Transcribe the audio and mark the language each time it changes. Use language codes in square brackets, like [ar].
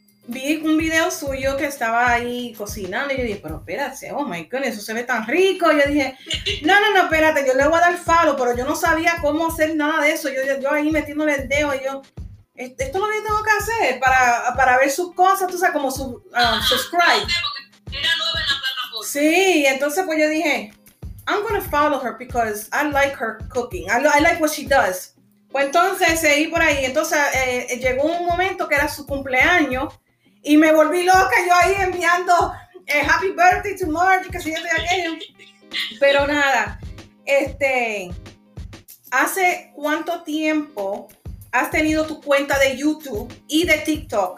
[es] Vi un video suyo que estaba ahí cocinando y yo dije, pero espérate, oh my goodness, eso se ve tan rico. Y yo dije, no, espérate, yo le voy a dar follow, pero yo no sabía cómo hacer nada de eso. Yo ahí metiéndole el dedo y yo, esto es lo que yo tengo que hacer para ver sus cosas, tú sabes, como su subscribe. Era nueva en la plataforma. Sí, entonces pues yo dije, [en] I'm going to follow her because I like her cooking. I like what she does. [es] Pues entonces seguí por ahí. Entonces llegó un momento que era su cumpleaños y me volví loca yo ahí enviando [en] Happy Birthday to Margie, [es] que si yo estoy aquello. Pero nada, ¿Hace cuánto tiempo has tenido tu cuenta de YouTube y de TikTok?